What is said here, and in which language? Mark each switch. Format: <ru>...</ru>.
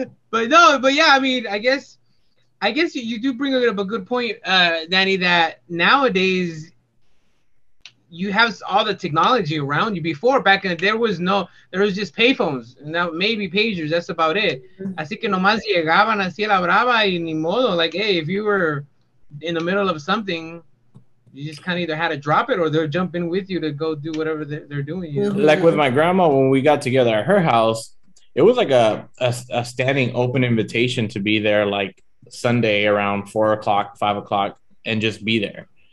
<en>but yeah, I mean, I guess you do bring up a good point, Danny, that nowadays you have all the technology around you. Before, back in the day, there was just payphones. Now, maybe pagers, that's about it.</en> <es>Así que nomás llegaban así a la brava y ni modo.</es> <en>Like, hey, if you were... in the middle of something, you just kind of either had to drop it or they'll jump in with you to go do whatever they're doing, you know? Like with my grandma, when we got together at her house, it was like a standing open invitation to be there like Sunday around 4 o'clock, 5 o'clock, and just be there.</en>